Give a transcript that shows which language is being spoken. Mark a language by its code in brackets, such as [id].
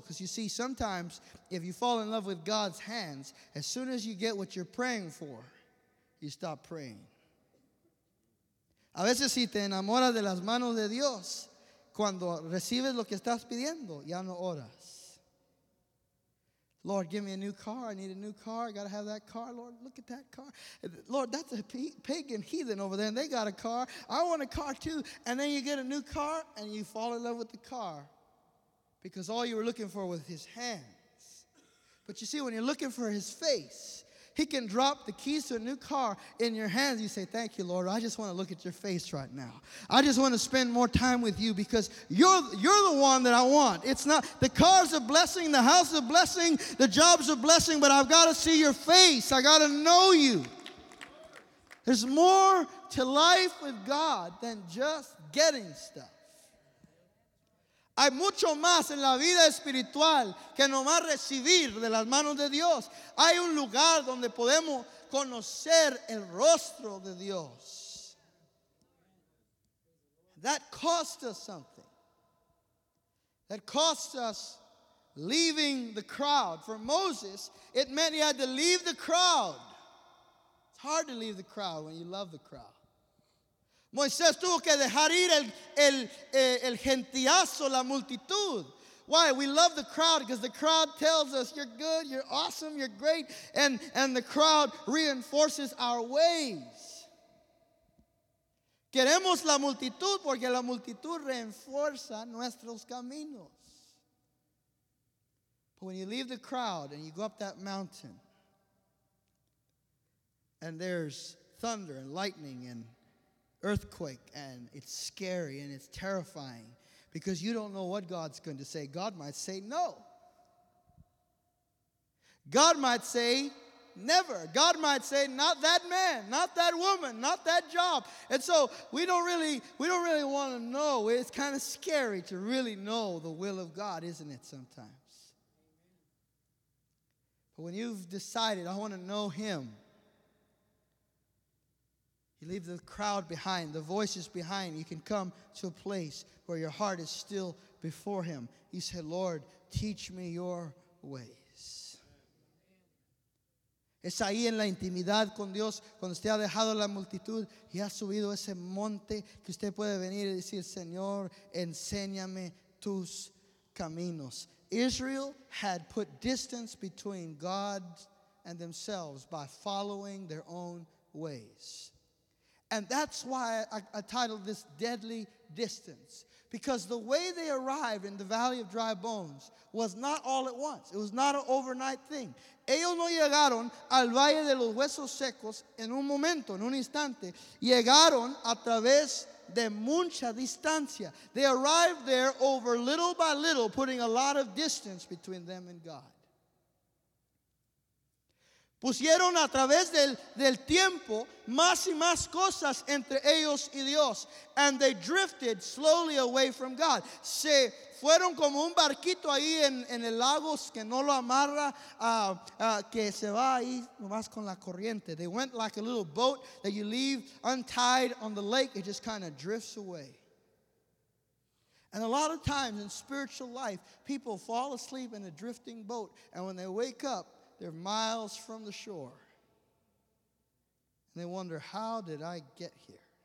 [en] Because you see, sometimes if you fall in love with God's hands, as soon as you get what you're praying for, you stop praying. [es] A veces si te enamoras de las manos de Dios, cuando recibes lo que estás pidiendo, ya no oras. [en] Lord, give me a new car. I need a new car. I got to have that car. Lord, look at that car. Lord, that's a pagan heathen over there, and they got a car. I want a car, too. And then you get a new car, and you fall in love with the car because all you were looking for was his hands. But you see, when you're looking for his face, he can drop the keys to a new car in your hands. You say, thank you, Lord. I just want to look at your face right now. I just want to spend more time with you because you're the one that I want. It's not the car's a blessing, the house is a blessing, the job's a blessing, but I've got to see your face. I got to know you. There's more to life with God than just getting stuff. [es] Hay mucho más en la vida espiritual que nomás recibir de las manos de Dios. Hay un lugar donde podemos conocer el rostro de Dios. [en] That cost us something. That cost us leaving the crowd. For Moses, it meant he had to leave the crowd. It's hard to leave the crowd when you love the crowd. [es] Moisés tuvo que dejar ir el gentiazo, la multitud. [en] Why? We love the crowd because the crowd tells us you're good, you're awesome, you're great, and the crowd reinforces our ways. [es] Queremos la multitud porque la multitud reinforza nuestros caminos. [en] But when you leave the crowd and you go up that mountain, and there's thunder and lightning and earthquake, and it's scary and it's terrifying because you don't know what God's going to say. God might say no. God might say never. God might say not that man, not that woman, not that job. And so we don't really want to know. It's kind of scary to really know the will of God, isn't it, sometimes? But when you've decided, I want to know him, you leave the crowd behind, the voices behind. You can come to a place where your heart is still before him. You say, Lord, teach me your ways. [es] Es ahí en la intimidad con Dios, cuando usted ha dejado la multitud y ha subido ese monte, que usted puede venir y decir, Señor, enséñame tus caminos. [en] Israel had put distance between God and themselves by following their own ways. And that's why I titled this Deadly Distance. Because the way they arrived in the Valley of Dry Bones was not all at once. It was not an overnight thing. [es] Ellos no llegaron al Valle de los Huesos Secos en un momento, en un instante. Llegaron a través de mucha distancia. [en] They arrived there over little by little, putting a lot of distance between them and God. [es] Pusieron a través del tiempo más y más cosas entre ellos y Dios. [en] And they drifted slowly away from God. [es] Se fueron como un barquito ahí en el lago que no lo amarra, que se va ahí nomás con la corriente. [en] They went like a little boat that you leave untied on the lake. It just kind of drifts away. And a lot of times in spiritual life, people fall asleep in a drifting boat. And when they wake up, they're miles from the shore. And they wonder, how did I get here?